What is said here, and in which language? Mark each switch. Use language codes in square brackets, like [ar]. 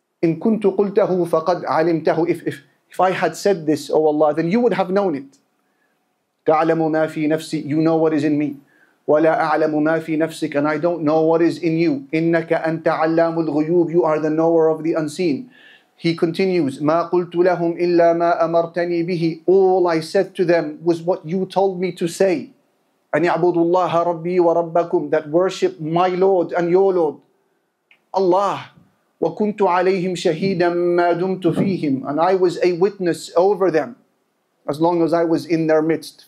[ar] إِن كُنْتُ قُلْتَهُ فَقَدْ عَلِمْتَهُ. [en] If I had said this, O Allah, then you would have known it. [ar] تَعْلَمُ مَا فِي نَفْسِي. [en] You know what is in me. [ar] وَلَا أَعْلَمُ مَا فِي نَفْسِكَ. [en] And I don't know what is in you. [ar] إِنَّكَ أَنْتَ عَلَّامُ الْغُيُوبِ. [en] You are the knower of the unseen. He continues, [ar] مَا قُلْتُ لَهُمْ إِلَّا مَا أَمَرْتَنِي بِهِ. [en] All I said to them was what you told me to say. [ar] أَنْ يَعْبُدُ اللَّهَ رَبِّي وَرَبَّكُمْ. [en] That worship my Lord and your Lord, Allah. [ar] وَكُنْتُ عَلَيْهِمْ شَهِيدًا مَّا دُمْتُ فِيهِمْ. [en] And I was a witness over them as long as I was in their midst.